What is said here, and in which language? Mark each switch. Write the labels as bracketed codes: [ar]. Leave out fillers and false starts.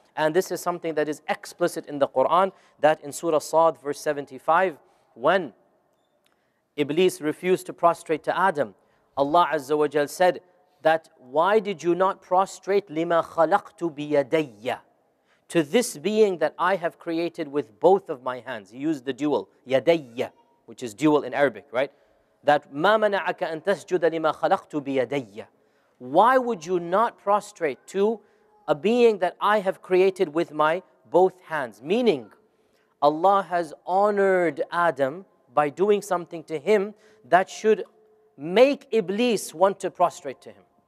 [en] And this is something that is explicit in the Quran, that in Surah Sa'd, verse 75, when Iblis refused to prostrate to Adam, Allah Azza wa Jal said that, why did you not prostrate [ar] lima khalaqtu biyadayya? [en] to this being that I have created with both of my hands. He used the dual, yadayya, which is dual in Arabic, right? That [ar] مَا مَنَعَكَ أَن تَسْجُدَ لِمَا خَلَقْتُ بِيَدَيَّ. [en] Why would you not prostrate to a being that I have created with my both hands? Meaning, Allah has honored Adam by doing something to him that should make Iblis want to prostrate to him.